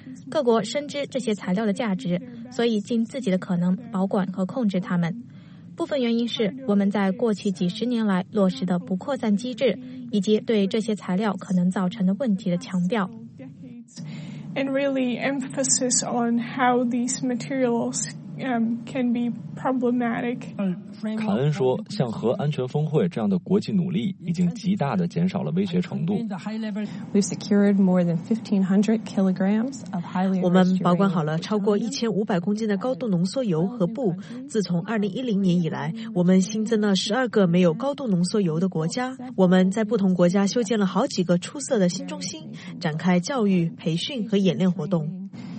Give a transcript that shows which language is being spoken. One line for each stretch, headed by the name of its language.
Chinese: 各国深知这些材料的价值，所以尽自己的可能保管和控制它们。部分原因是我们在过去几十年来落实的不扩散机制，以及对这些材料可能造成的问题的强调。
English: And really emphasis on how these materials can be problematic.
Chinese: 卡恩说，像核安全峰会这样的国际努力已经极大地减少了威胁程度。
English: We've secured more than 1,500 kilograms of highly enriched.
Chinese: 我们保管好了超过1,500公斤的高度浓缩铀和钚。自从2010年以来，我们新增了12个没有高度浓缩铀的国家。我们在不同国家修建了好几个出色的新中心，展开教育、培训和演练活动。